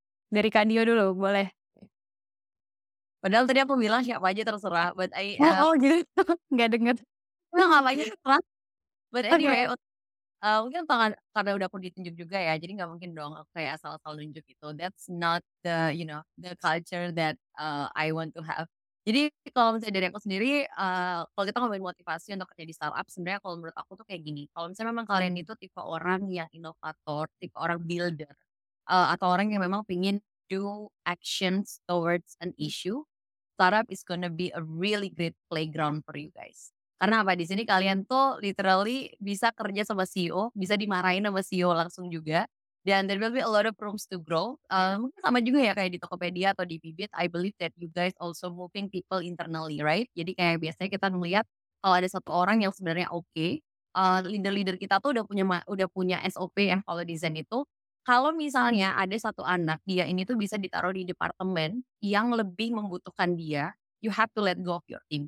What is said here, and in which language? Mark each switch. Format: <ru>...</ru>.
<id>Dari Kak Dio dulu, boleh. Padahal tadi aku bilang siapa aja terserah.</id> <en>But I,</en> <id>gitu. Nggak denger. Nggak apa aja terserah.</id> <en>But anyway, okay.</en> <id>Mungkin tangan, karena udah aku ditunjuk juga ya, jadi nggak mungkin dong aku kayak asal-asal nunjuk gitu.</id> <en>That's not the, you know, the culture that I want to have.</en> <id>Jadi kalau misalnya dari aku sendiri, kalau kita ngomongin motivasi untuk kerja di startup, sebenarnya kalau menurut aku tuh kayak gini. Kalau misalnya memang kalian itu tipe orang yang inovator, tipe orang builder, atau orang yang memang pingin</id> <en>do actions towards an issue, startup is gonna be a really great playground for you guys.</en> <id>Karena apa? Di sini kalian tuh literally bisa kerja sama CEO, bisa dimarahin sama CEO langsung juga. Dan</id> <en>there will be a lot of rooms to grow.</en> <id>Sama juga ya kayak di Tokopedia atau di Bibit,</id> <en>I believe that you guys also moving people internally, right?</en> <id>Jadi kayak biasanya kita melihat kalau ada satu orang yang sebenarnya okay, leader-leader kita tuh udah punya SOP yang kalau di Zen itu, kalau misalnya ada satu anak, dia ini tuh bisa ditaruh di departemen yang lebih membutuhkan dia,</id> <en>you have to let go of your team.</en>